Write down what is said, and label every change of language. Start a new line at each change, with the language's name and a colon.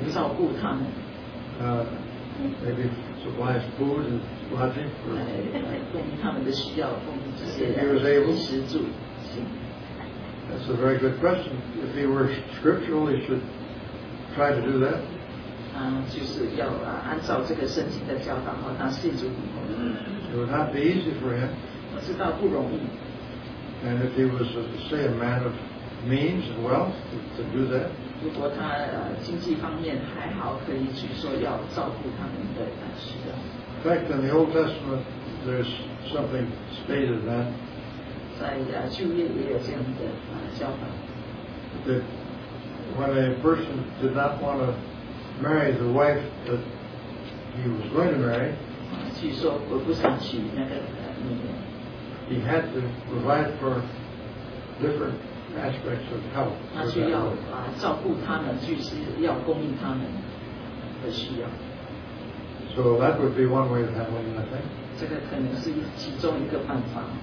English: Maybe supply food and lodging. For, if he was able. That's a very good question. If he were scriptural, he should try to do that.
Chinese: 就是要按照这个圣经的教导，他信主以后。
English: It would not be easy for him.
Chinese: 我知道不容易。
English: And if he was, say, a man of means and wealth to do that,
Chinese: 如果他经济方面还好，可以去说要照顾他们的需要。
English: In fact, in the Old Testament, there's something stated that
Chinese: 在旧约也有这样的教导。
English: That when a person did not want to marry the wife that he was going to marry,
Chinese: 据说我不想娶那个女人。
English: He had to provide for different aspects of health.
Chinese: 他需要照顾他们，就是要供应他们的需要。
English: So that would be one way of handling it, I think.
Chinese: 这个可能是其中一个办法。